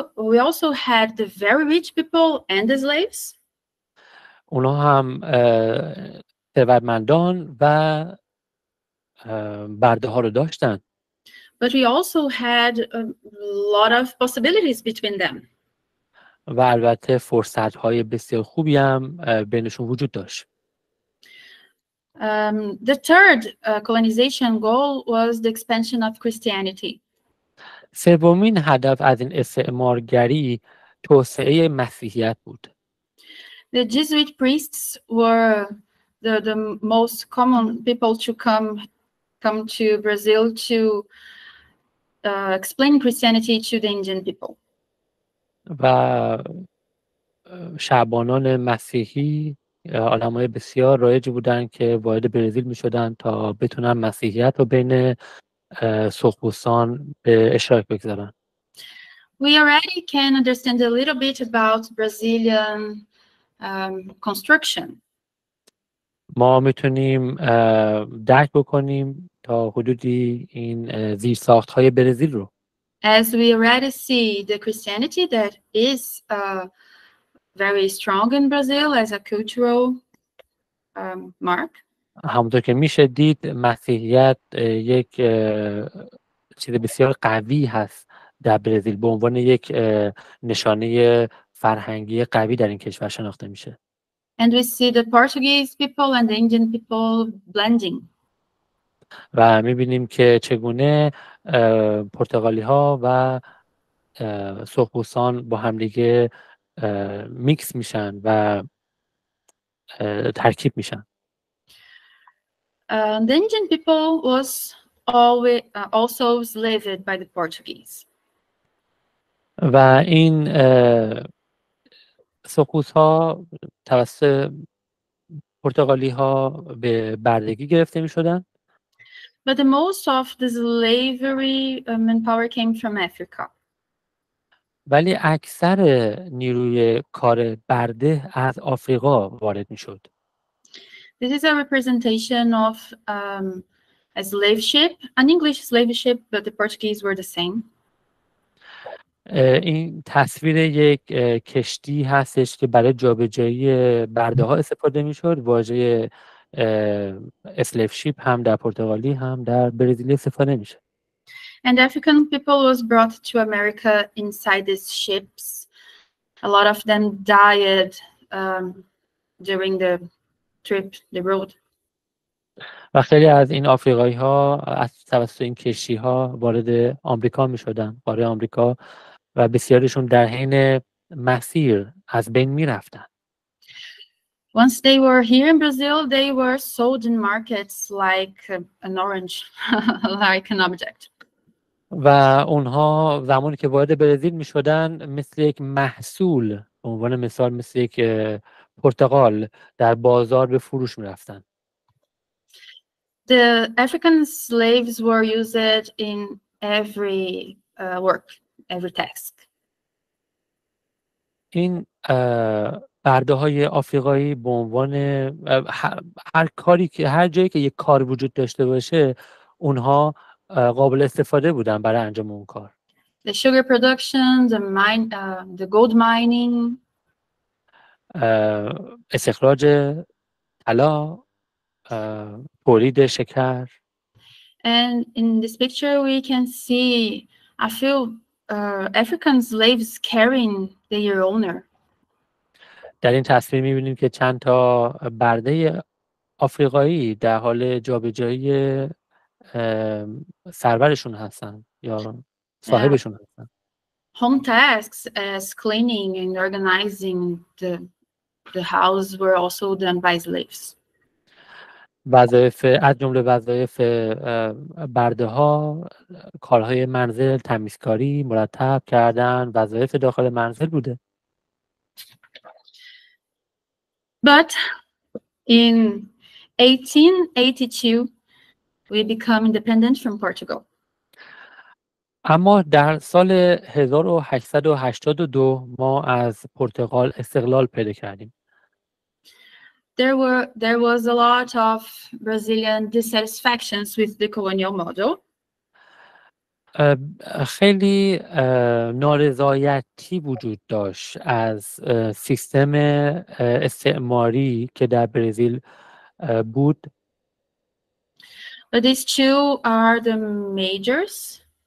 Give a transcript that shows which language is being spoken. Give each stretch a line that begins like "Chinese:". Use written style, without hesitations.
English: We also had the very rich people and the slaves.
Persian: اونا هم ثروتمندان و برده‌ها رو داشتن.
English: But we also had a lot of possibilities between them.
Persian: و البته فرصت های بسیار خوبی هم بینشون وجود داشت.
English: The third colonization goal was the expansion of Christianity.
Persian: سومین هدف از این استعمارگری توسعه مسیحیت بود.
English: The Jesuit priests were the most common people to come to Brazil to explain Christianity to the Indian people.
Persian: و شعبانان مسیحی آدمای بسیار رایج بودن که وارد برزیل می‌شدن تا بتونن مسیحیت رو بین سخبوسان به اشتراک بگذارن.
English: We already can understand a little bit about Brazilian construction.
Persian: ما میتونیم درک بکنیم تا حدودی این زیرساخت‌های برزیل رو.
English: As we already see the Christianity that is very strong in Brazil as a cultural mark.
Persian: همونطور که میشه دید مسیحیت یک چیز بسیار قوی هست در برزیل، به عنوان یک نشانه فرهنگی قوی در این کشور شناخته میشه.
English: And we see the Portuguese people and the Indian people blending.
Persian: و میبینیم که چگونه پرتغالی ها و سرخپوستان با همدیگه میکس میشن و ترکیب میشن.
English: The Indian people was always also enslaved by the Portuguese.
Persian: و این سکوت ها توسط پرتغالی ها به بردگی گرفته می شدن.
English: But the most of the slavery manpower came from Africa.
Persian: ولی اکثر نیروی کار برده از آفریقا وارد می شد.
English: This is a representation of a slave ship, an English slave ship, but the Portuguese were the same.
Persian: این تصویر یک کشتی هستش که برای جابجایی برده ها استفاده می شد. واژه
English: slave ship
Persian: هم در پرتغالی هم در برزیلی استفاده می شد.
English: And African people was brought to America inside these ships. A lot of them died during the trip, the road.
Persian: و خیلی از این آفریقایی ها از توسط این کشتی ها وارد آمریکا می شدن، وارد آمریکا، و بسیاریشون در حین مسیر از بین می رفتن.
English: Once they were here in Brazil, they were sold in markets like an orange, like an object.
Persian: و اونها زمانی که وارد برزیل می شدن مثل یک محصول، به عنوان مثال مثل یک پرتقال در بازار به فروش می رفتن.
English: The African slaves were used in every work, every task.
Persian: این برده های آفریقایی به عنوان هر کاری که هر جایی که یک کار وجود داشته باشه اونها قابل استفاده بودن برای انجام اون کار.
English: The sugar production, the mine, the gold mining.
Persian: استخراج طلا، تولید شکر.
English: And in this picture we can see a few African slaves carrying their owner.
Persian: در این تصویر می‌بینیم که چند تا برده آفریقایی در حال جابجایی سرورشون هستن یا صاحبشون هستن.
English: Home tasks as cleaning and organizing the house were also done by slaves.
Persian: وظایف از جمله وظایف برده ها کارهای منزل، تمیزکاری، مرتب کردن، وظایف داخل منزل بوده.
English: But in 1882 we become independent from Portugal.
Persian: اما در سال 1882 ما از پرتغال استقلال پیدا کردیم.
English: There was a lot of Brazilian dissatisfactions with the colonial model.
Persian: خیلی نارضایتی وجود داشت از سیستم استعماری که در برزیل بود.
English: But these two are the majors.